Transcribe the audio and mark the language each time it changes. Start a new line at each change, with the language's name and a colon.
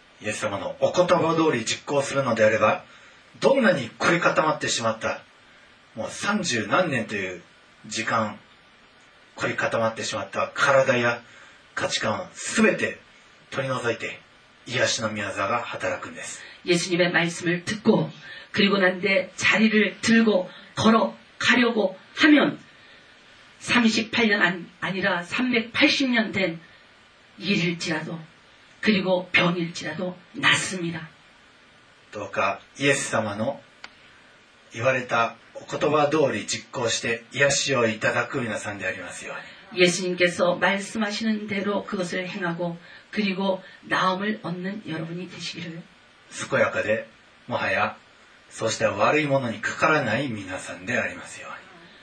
Japanese: イエス様のお言葉通り実行するのであればどんなに凝り固まってしまったもう三十何年という時間凝り固まってしまった体や価値観を全て取り除いて癒しの御業が働くんです
Korean: 예수님의말씀을듣고그리고난데자리를들고걸어가려고하면38년 아니라380년된일일지라도그리고병일지라도낫습니다
Japanese: どうかイエス様の言われたお言葉通り実行して癒しをいただく皆さんでありますように
Korean: イエス님께서말씀하시는대로그것을행하고그리고나음을얻는여러분이되시기를
Japanese: 健やかでもはやそうした悪いものにかからない皆さんでありますように